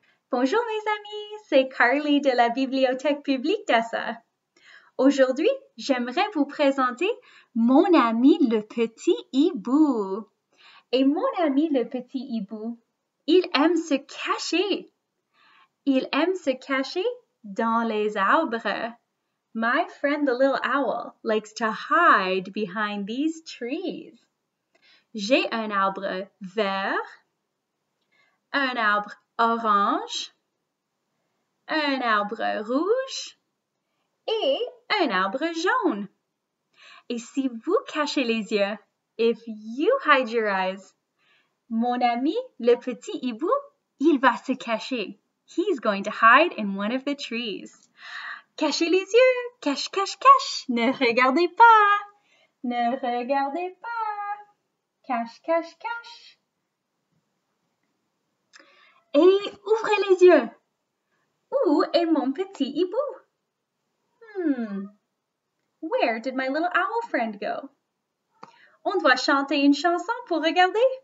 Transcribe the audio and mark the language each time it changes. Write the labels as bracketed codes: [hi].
[fr] Bonjour mes amis, c'est Carly de la Bibliothèque publique d'Assa. Aujourd'hui, j'aimerais vous présenter mon ami le petit hibou. Et mon ami le petit hibou, il aime se cacher. Il aime se cacher dans les arbres. [en] My friend the little owl likes to hide behind these trees. [fr] J'ai un arbre vert, un arbre orange, un arbre rouge et un arbre jaune. Et si vous cachez les yeux, [en] if you hide your eyes, [fr] mon ami, le petit hibou, il va se cacher. [en] He's going to hide in one of the trees. [fr] Cachez les yeux, cache, cache, cache. Ne regardez pas, ne regardez pas. Cache, cache, cache. Et ouvrez les yeux. Où est mon petit hibou? [en] Where did my little owl friend go? [fr] On doit chanter une chanson pour regarder.